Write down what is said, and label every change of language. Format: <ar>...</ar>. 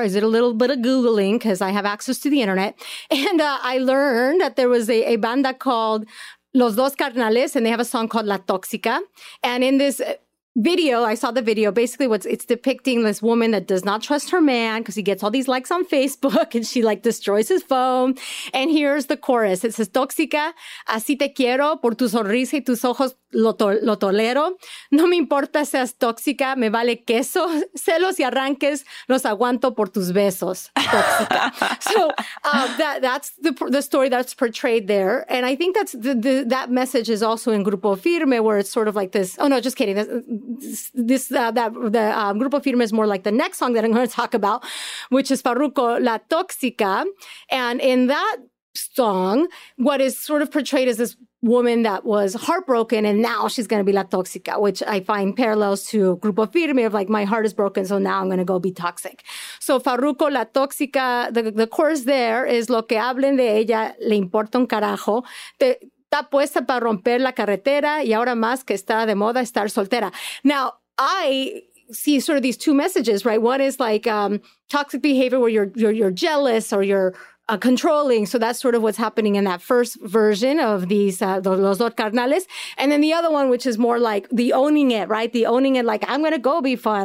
<en>I did a little bit of Googling because I have access to the internet, and I learned that there was a banda called Los Dos Carnales, and they have a song called La Tóxica, and in this video, I saw the video. Basically, what it's depicting, this woman that does not trust her man because he gets all these likes on Facebook and she like destroys his phone. And here's the chorus. It says,</en> <es>tóxica, así te quiero, por tu sonrisa y tus ojos lo tolero. No me importa seas tóxica, me vale queso, celos y arranques, los aguanto por tus besos. Tóxica.</es> <en>So that's the story that's portrayed there. And I think that's that message is also in Grupo Firme, where it's sort of like this. Oh, no, just kidding. The Grupo Firme is more like the next song that I'm going to talk about, which is Farruko, La Tóxica. And in that song, what is sort of portrayed as this woman that was heartbroken and now she's going to be La Tóxica, which I find parallels to Grupo Firme of like, my heart is broken, so now I'm going to go be toxic.</en> <es>So Farruko, La Tóxica,</es> <en>the chorus there is</en> <es>lo que hablen de ella le importa un carajo. Está puesta para romper la carretera y ahora más que está de moda estar soltera.</es> <en>Now, I see sort of these two messages, right? One is like toxic behavior where you're jealous or you're controlling. So that's sort of what's happening in that first version of these, Los Dos Carnales. And then the other one, which is more like the owning it, right? The owning it, like, I'm going to go be fun.</en>